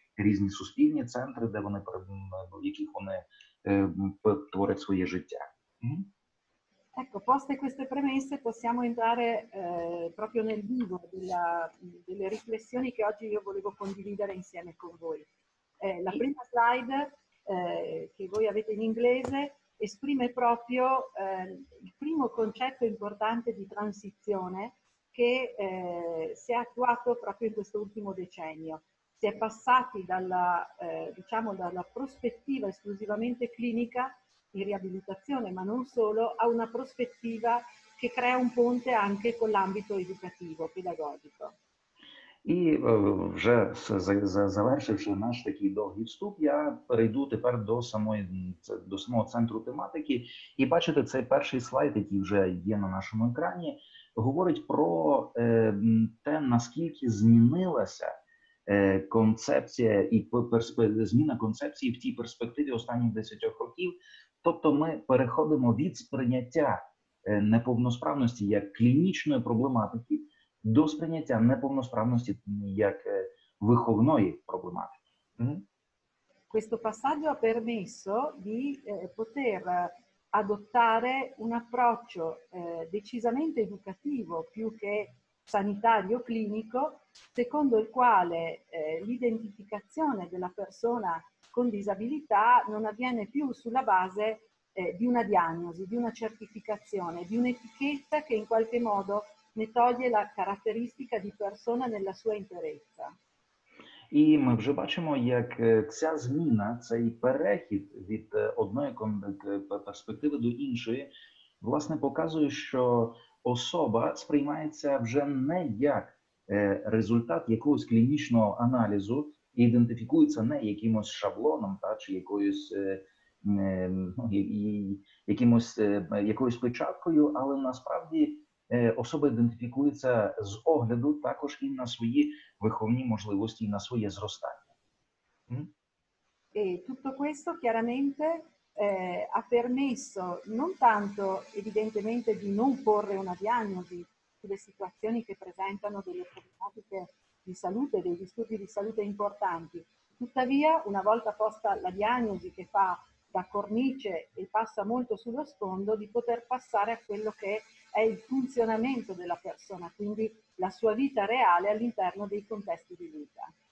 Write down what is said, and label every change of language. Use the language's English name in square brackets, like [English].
[Ukrainian] різні суспільні центри, де вони в яких вони творять своє життя. [Italian] Ecco, poste queste premesse, possiamo entrare proprio nel vivo delle riflessioni che oggi io volevo condividere insieme con voi. La prima slide che voi avete in inglese esprime proprio il primo concetto importante di transizione che si è attuato proprio in questo ultimo decennio. Si è passati dalla prospettiva esclusivamente clinica in riabilitazione, ma non solo, a una prospettiva che crea un ponte anche con l'ambito educativo, pedagogico. [Ukrainian] І вже завершивши наш такий довгий вступ, я перейду тепер до самого центру тематики. І бачите, цей перший слайд, який вже є на нашому екрані, говорить про те, наскільки змінилася концепція і зміна концепції в тій перспективі останніх 10 років. Тобто ми переходимо від сприйняття неповносправності як клінічної проблематики до сприйняття неповносправності як виховної проблематики. [Italian] Questo passaggio ha permesso di poter adottare un approccio decisamente educativo più che sanitario clinico, secondo il quale l'identificazione della persona con disabilità non avviene più sulla base di una diagnosi, di una certificazione, di un'etichetta che in qualche modo ne toglie la caratteristica di persona nella sua interezza. [Ukrainian] І ми вже бачимо, як ця зміна, цей перехід від одної перспективи до іншої, власне показує, що особа сприймається вже не як результат якогось клінічного аналізу, ідентифікується не якимось шаблоном, та, чи якоюсь печаткою, але насправді особа ідентифікується з огляду також і на свої виховні можливості, і на своє зростання. [Italian] E tutto questo chiaramente ha permesso non tanto evidentemente di non porre una diagnosi sulle situazioni che presentano delle problematiche di salute, dei disturbi di salute importanti. Tuttavia, una volta posta la diagnosi che fa da cornice e passa molto sullo sfondo, di poter passare a quello che è il funzionamento della persona, quindi la sua vita reale all'interno dei contesti di vita.